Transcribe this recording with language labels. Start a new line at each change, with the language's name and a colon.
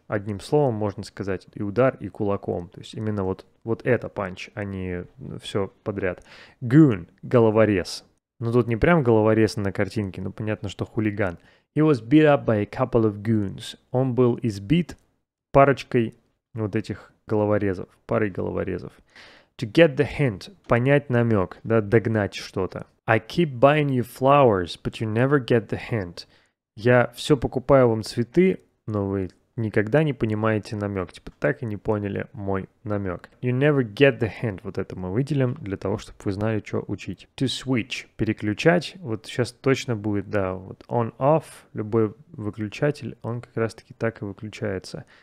Russian: Одним словом можно сказать и удар, и кулаком. То есть именно вот, вот это punch, а не все подряд.
English: Goon.
Russian: Головорез. Но тут не прям головорез на картинке, но понятно, что хулиган.
English: He was beat up by a couple of goons.
Russian: Он был избит парочкой вот этих головорезов. Парой головорезов.
English: To get the hint.
Russian: Понять намек. Да, догнать что-то.
English: I keep buying you flowers, but you never get the hint.
Russian: Я все покупаю вам цветы, но вы никогда не понимаете намек. Типа, так и не поняли мой намек.
English: You never get the hint.
Russian: Вот это мы выделим для того, чтобы вы знали, что учить.
English: To switch.
Russian: Переключать. Вот сейчас точно будет, да, вот on-off. Любой выключатель, он как раз-таки так и выключается.